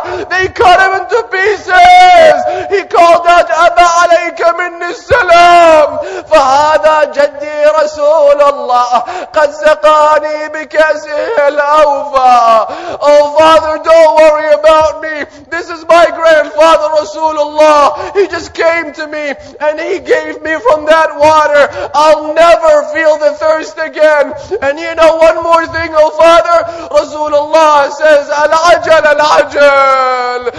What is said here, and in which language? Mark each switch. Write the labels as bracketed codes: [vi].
[en] They cut him into pieces. He called out, [ar] أبا عليك من السلام. فهذا جدي رسول الله قد سقاني بكأسه الأوفى. [en] Oh father, don't worry about me. This is my grandfather Rasulullah. He just came to me and he gave me from that water. I'll never feel the thirst again. And you know one more thing, oh father, Rasulullah says, Al-ajal, al-ajal.